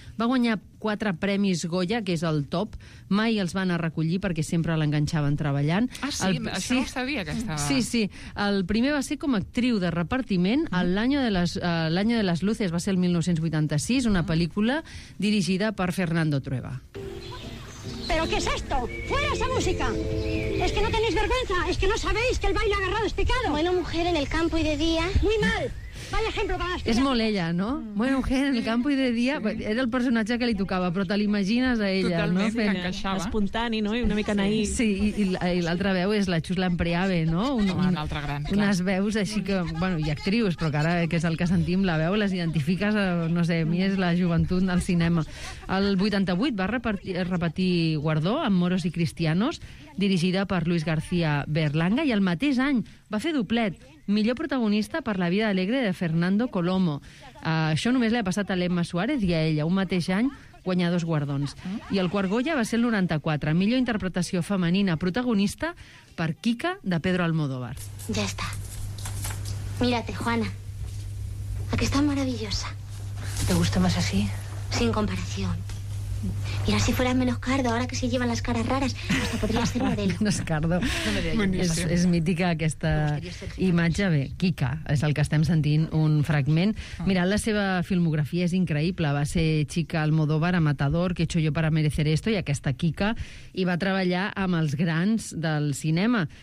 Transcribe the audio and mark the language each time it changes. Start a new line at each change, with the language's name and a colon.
Catalan: Va guanyar 4 premis Goya, que és el top. Mai els van a recollir perquè sempre l'enganxaven treballant. Això no ho sabia, que estava... Sí, sí. El primer va ser com a actriu de repartiment. L'Año de las Luces va ser el 1986, una pel·lícula dirigida per Fernando Trueba.
Spanish: ¿Pero qué es esto? ¡Fuera esa música! ¿Es que no tenéis vergüenza? ¿Es que no sabéis que el baile agarrado es pecado? Bueno, mujer, en el campo y de día... ¡Muy mal! Vaya ejemplo para las...
Catalan: És molt ella, no?
Spanish: Bueno, mujer, en el campo y de día...
Catalan: Sí. Era el personatge que li tocava, però te l'imagines a ella, totalment, no? Totalment, encaixava. Espontani, no? I una mica naïf. Sí, i l'altra veu és la Chus Lampreave, no? Una altra gran, clar. Unes veus així que... Bueno, i actrius, però que ara, que és el que sentim, la veu, les identifiques, no sé, a mi és la joventut del cinema. El 88 va repetir guardó amb Moros y Cristianos, dirigida per Luis García Berlanga, i el mateix any va fer doblet millor protagonista per La vida alegre de Fernando Colomo. Això només li ha passat a l'Emma Suárez i a ella, un mateix any, guanyar 2 guardons. I el quart Goya va ser el 94, millor interpretació femenina protagonista per Kika, de Pedro Almodóvar.
Spanish: Ya está. Mírate, Juana. Aquí está maravillosa. ¿Te gusta más así? Sin comparación. Mira, si fueras menos cardo, ahora que se llevan las caras raras, hasta podrías ser modelo. No es cardo.
Catalan: És mítica aquesta imatge. Bé, Kika és el que estem sentint un fragment. Mira, la seva filmografia és increïble. Va ser Chica Almodóvar a Matador, Que he hecho yo para merecer esto, i aquesta Kika, i va treballar amb els grans del cinema.